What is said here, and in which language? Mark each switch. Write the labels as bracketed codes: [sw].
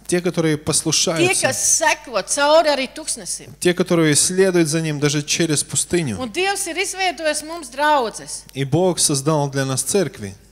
[ru] Те, которые послушаются. [lv] Tie, kas seko cauri arī tuksnesim. [ru] Те, которые следуют за ним даже через пустыню. [lv] Un Dievs ir izveidojis mums draudzes. [ru] И Бог создал для нас церкви.